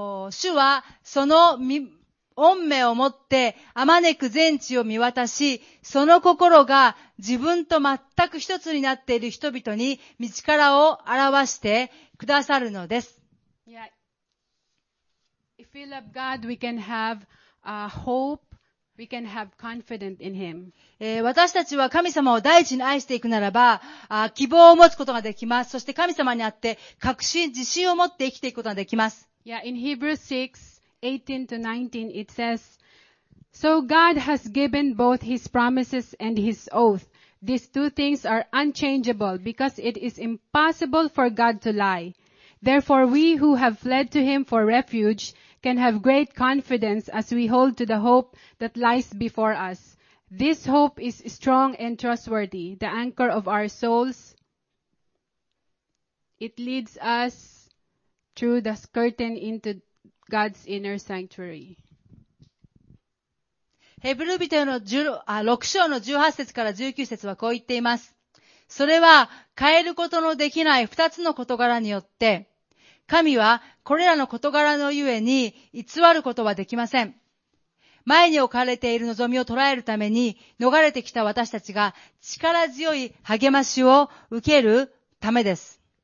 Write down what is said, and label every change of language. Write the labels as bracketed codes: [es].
[ja] 主はその恩目を持ってあまねく全地を見渡し、その心が自分と全く一つになっている人々に御力を表してくださるのです。 [en] Yeah. If we love God, we can have a hope. We can have confidence in Him. [ja] 私たちは神様を第一に愛していくならば、希望を持つことができます。そして神様にあって確信、自信を持って生きていくことができます。 [en] Yeah, in Hebrews 6:18-19, it says, So God has given both His promises and His oath. These two things are unchangeable because it is impossible for God to lie. Therefore, we who have fled to Him for refuge can have great confidence as we hold to the hope that lies before us. This hope is strong and trustworthy, the anchor of our souls. It leads us through the curtain into God's inner sanctuary. [ja] ヘブル人への6章の18節から19節はこう言っています。それは変えることのできない2つの事柄によって、神はこれらの事柄のゆえに偽ることはできません。前に置かれている望みを捉えるために逃れてきた私たちが力強い励ましを受けるためです。